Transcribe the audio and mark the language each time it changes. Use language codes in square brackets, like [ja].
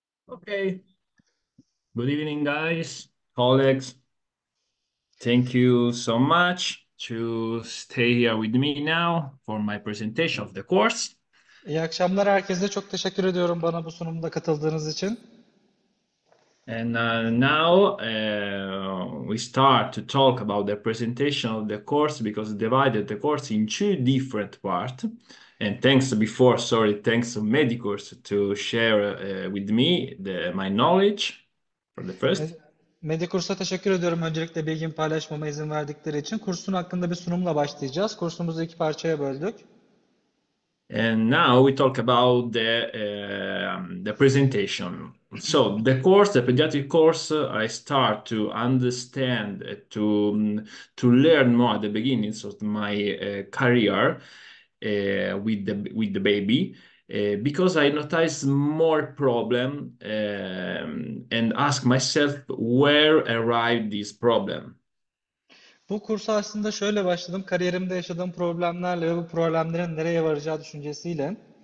[en] Okay. Good evening, guys. Colleagues, thank you so much to stay here with me now for my presentation of the course. [tr] İyi akşamlar herkese. Çok teşekkür ediyorum bana bu sunumda katıldığınız için. [en] And now we start to talk about the presentation of the course because we divided the course in two different parts. And thanks before, sorry, thanks to Medicourse to share with me my knowledge for the first. [tr] Medikurs'a teşekkür ediyorum. Öncelikle bilgimi paylaşmama izin verdikleri için. Kursun hakkında bir sunumla başlayacağız. Kursumuzu iki parçaya böldük. [en] And now we talk about the presentation. So the pediatric course, I start to understand to learn more at the beginnings of my career with the baby because I noticed more problem and ask myself where arrived this problem. [tr] Bu kursa aslında şöyle başladım. Kariyerimde yaşadığım problemlerle ve bu problemlerin nereye varacağı düşüncesiyle.